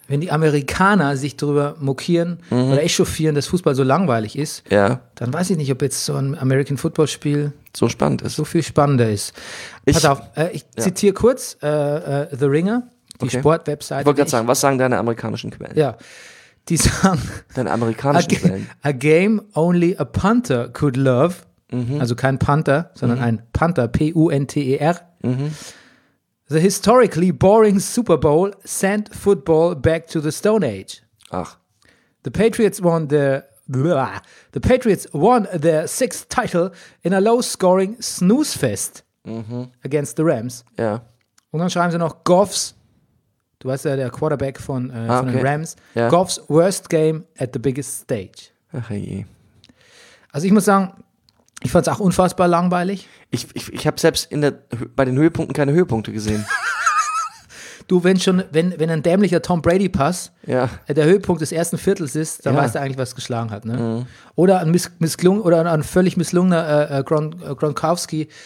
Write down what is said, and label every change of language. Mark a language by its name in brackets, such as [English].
[German] Wenn die Amerikaner sich drüber mokieren oder echauffieren, dass Fußball so langweilig ist, ja, dann weiß ich nicht, ob jetzt so ein American Football Spiel so spannend ist. So viel spannender ist. Pass auf, ich zitiere kurz The Ringer, die Sportwebsite. Ich wollte gerade sagen, was sagen deine amerikanischen Quellen? Ja. Die sagen, deine amerikanischen Quellen. [English] A game only a punter could love. Mhm. [German] Also kein Panther, sondern ein Panther, P-U-N-T-E-R. [English] The historically boring Super Bowl sent football back to the Stone Age. [German] Ach. [English] The Patriots won their sixth title in a low-scoring snooze-fest against the Rams. [German] Ja. Und dann schreiben sie noch Goffs. Du weißt ja, der Quarterback von den Rams. [English] Yeah. Goff's worst game at the biggest stage. [German] Ach je. Also ich muss sagen, ich fand es auch unfassbar langweilig. Ich habe selbst bei den Höhepunkten keine Höhepunkte gesehen. Du, wenn ein dämlicher Tom Brady Pass der Höhepunkt des ersten Viertels ist, dann weißt du eigentlich, was geschlagen hat. Ne? Mhm. Oder ein völlig misslungener Gronkowski